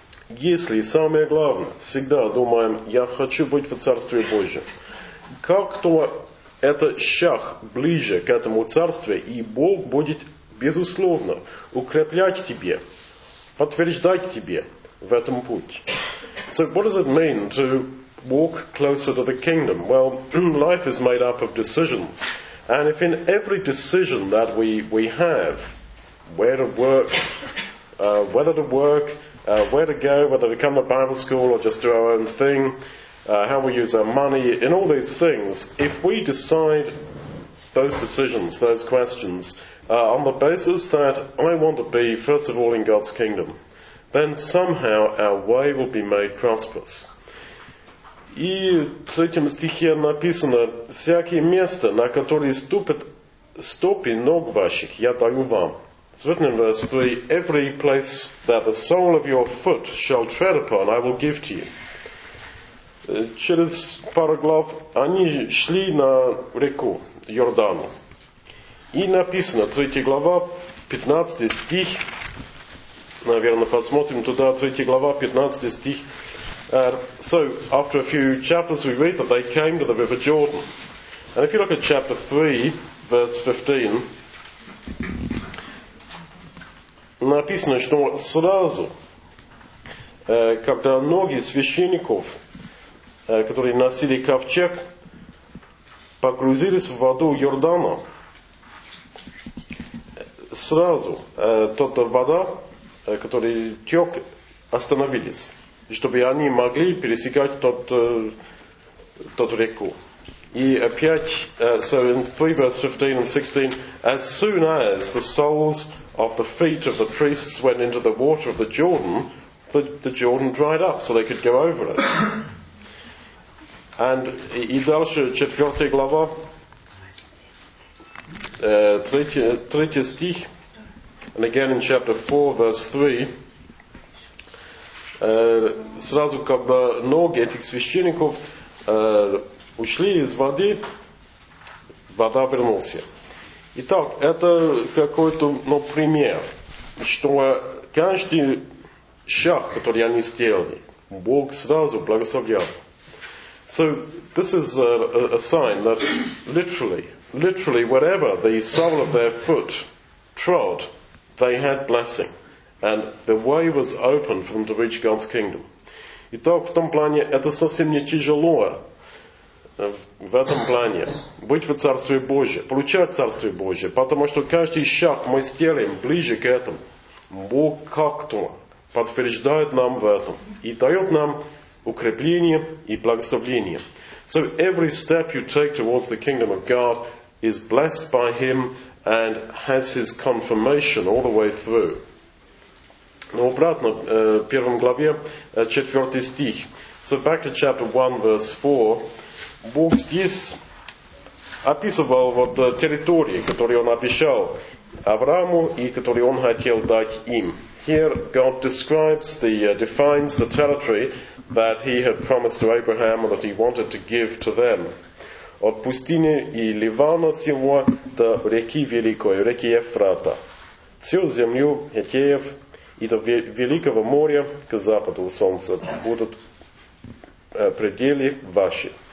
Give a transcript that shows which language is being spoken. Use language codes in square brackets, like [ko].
[ru] Если, самое главное, всегда думаем, я хочу быть в Царстве Божьем. Как-то это шаг ближе к этому Царству, и Бог будет, безусловно, укреплять тебе, подтверждать тебе в этом пути. [en] So what does it mean to walk closer to the kingdom? Well, life is made up of decisions. And if in every decision that we have, where to work, whether to work, where to go, whether to come to Bible school or just do our own thing, how we use our money, in all these things, if we decide those decisions, those questions, on the basis that I want to be, first of all, in God's kingdom, then somehow our way will be made prosperous. [ru] И в третьем стихе написано, «Всякие места, на которые ступят стопы ног ваших, я даю вам». [en] It's written in verse 3, «Every place that the sole of your foot shall tread upon, I will give to you». [ru] Через пару глав они шли на реку Йордану. И написано, третья глава, 15 стих, наверное, посмотрим туда, 3 глава, 15 стих. [en] So, after a few chapters, we read that they came to the river Jordan. And if you look at chapter 3, verse 15, [ru] написано, что сразу, когда ноги священников, которые носили ковчег, погрузились в воду Йордана, сразу тот вода, которые тек, остановились, чтобы они могли пересекать тот реку. И опять, [en] so in 3 verse 15 and 16, as soon as the soles of the feet of the priests went into the water of the Jordan, the Jordan dried up so they could go over it. [ru] And и дальше, 4 глава, 3 стих, [en] and again in chapter 4, verse 3, [ru] сразу когда ноги этих священников ушли из воды, вода вернулся. Итак, это какой-то пример. что каждый шаг, который они сделали, Бог сразу благословлял. [en] So this is a sign that literally wherever the sole of their foot trod, they had blessing, and the way was open for them to reach God's kingdom. [ru] Итак, в том плане это совсем не тяжело. В этом плане быть в Царстве Божьем, получать Царствие Божье, потому что каждый шаг мы сделаем ближе к этому. Бог как-то подтверждает нам в этом и дает нам укрепление и благословение. [en] So every step you take towards the kingdom of God is blessed by Him and has His confirmation all the way through. [ru] Но обратно, в первом главе, 4 стих. [en] So back to chapter 1, verse 4. [ru] Бог здесь описывал вот территории, которые Он обещал Аврааму и которые Он хотел дать им. [en] Here God describes the defines the territory that He had promised to Abraham and that He wanted to give to them. [ru] От пустыни и Ливана сего до реки Великой, реки Евфрата. Всю землю Хеттеев и до Великого моря к западу солнца будут пределы ваши.